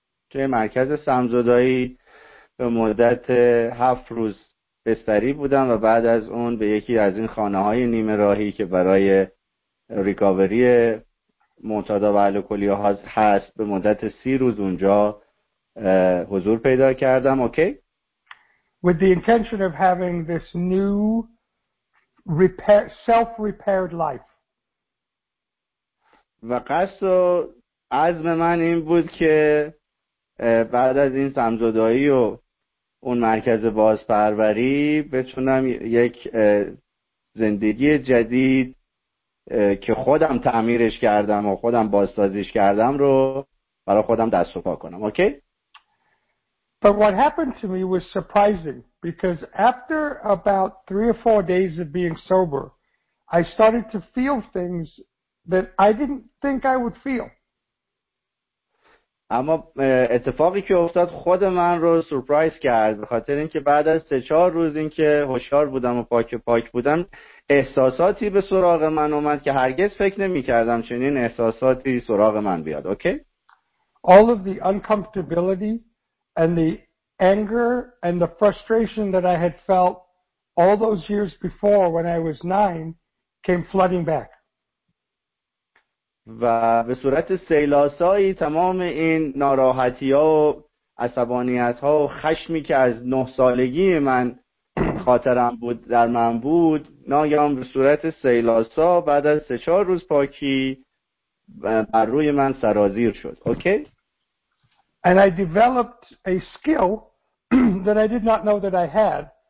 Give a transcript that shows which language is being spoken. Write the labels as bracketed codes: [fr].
[fa] توی مرکز سمزدایی به مدت 7 روز بستری بودم و بعد از اون به یکی از این خانه‌های نیمه راهی که برای ریکاوری معتادا و الکلی‌ها هست به مدت 30 روز اونجا حضور پیدا کردم. اوکی؟ [en] With the intention of having this new self-repaired life. [fa] و قصد و عزم من این بود که بعد از این سمزدائی و اون مرکز بازپروری بتونم یک زندگی جدید که خودم تعمیرش کردم و خودم بازسازیش کردم رو برای خودم دست و پا کنم. اوکی؟ [en] But what happened to me was surprising because after about 3 or 4 days of being sober, I started to feel things that I didn't think I would feel. [fa] اما اتفاقی که افتاد خود من رو سورپرایز کرد، به خاطر اینکه بعد از 3-4 روز اینکه هوشیار بودم و پاک پاک بودم، احساساتی به سراغ من اومد که هرگز فکر نمی‌کردم چنین احساساتی سراغ من بیاد. اوکی؟ [en] All of the uncomfortability and the anger and the frustration that I had felt all those years before when I was 9 came flooding back. [fa] و به صورت سیلاسایی تمام این ناراحتی‌ها و عصبانیت‌ها و خشمی که از 9 سالگی من خاطرم بود در من بود ناگهان به صورت سیلاسا بعد از 3-4 روز پاکی بر روی من سرازیر شد. اوکی؟ [en] And I developed a skill that I did not know that I had.